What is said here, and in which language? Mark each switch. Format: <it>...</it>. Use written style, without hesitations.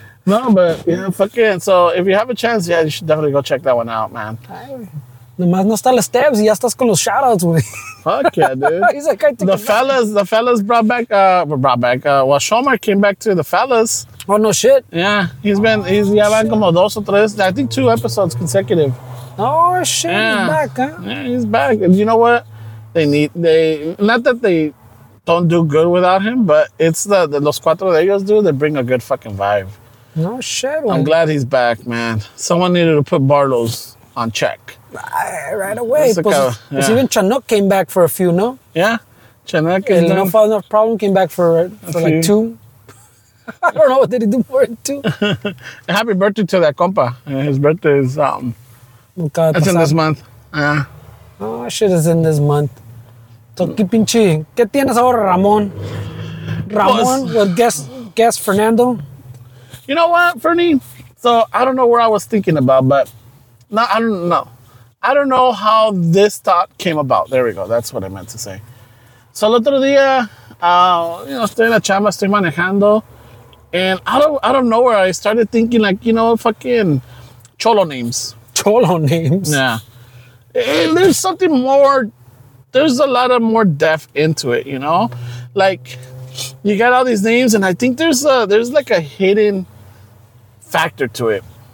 <en>No, but, you know, fucking, so if you have a chance, yeah, you should definitely go check that one out, man.</en> <es>Nomás no están las steps y ya estás con los shoutouts, güey.</es> <en>Fuck yeah, dude. He's like, I think the fellas brought back, well, Shomar came back to the fellas. Oh, no shit. Yeah, he's been</en> <es>como dos o tres,</es> <en>I think two episodes consecutive. Oh, shit, yeah. He's back, huh? Yeah, he's back. And you know what? Not that they don't do good without him, but it's the</en> <es>los cuatro de ellos,</es> <en>dude, they bring a good fucking vibe. No shit, man. I'm glad he's back, man. Someone needed to put Barlow's on check. Right away. Because even Chanuk came back for a few, no? Yeah. Chanuk and No Father, No Problem came back for like two. I don't know. What did he do for it, two? Happy birthday to that compa. His birthday is... That's in this month. Oh, shit, is in this month. So,</en> <es>¿qué pinche? ¿Qué tienes ahora, Ramon?</es> <en>Guess Fernando? You know what, Fernie? So, I don't know where I was thinking about, but... No, I don't know. I don't know how this thought came about. There we go. That's what I meant to say.</en> <es>So, el otro día, estoy en la chamba, estoy manejando.</es> <en>And out of nowhere, I started thinking, like, you know, fucking cholo names. Cholo names? Yeah. There's something more... There's a lot of more depth into it, you know? Like, you got all these names, and I think there's like a hidden factor to it.</en>